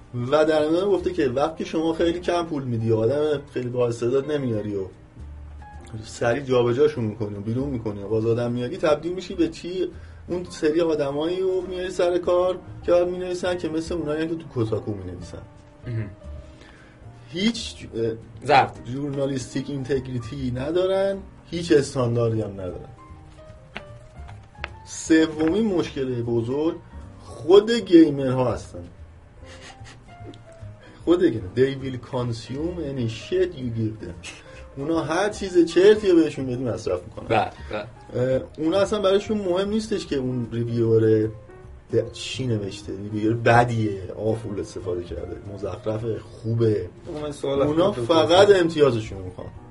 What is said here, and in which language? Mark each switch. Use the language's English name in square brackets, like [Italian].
[Persian] و در مورد گفته که وقتی شما خیلی کم پول میدی، آدم خیلی با استعداد نمیاری و سریع جابجاشون می‌کنی و بیرون می‌کنی و باز آدم میاری، تبدیل میشی به چی؟ اون سری آدمایی رو میاری سر کار که می‌نویسن که مثل اونایی که تو کوتاکو می‌نویسن. هیچ ضعف ژورنالیستیک اینتگریتی ندارن، هیچ استانداردی هم ندارن. سومی مشکل بزرگ خود گیمر ها هستن. خود گیمر [English] they will consume any shit you give them. [Persian] اونا هر چیز چرتی رو بهشون بدی مصرف میکنن. اونا اصلا برایشون مهم نیستش که اون ریویور چی نوشته، ریویور بدیه، آفول استفاده کرده، مزخرف، خوبه. اونا فقط امتیازشون میخوان.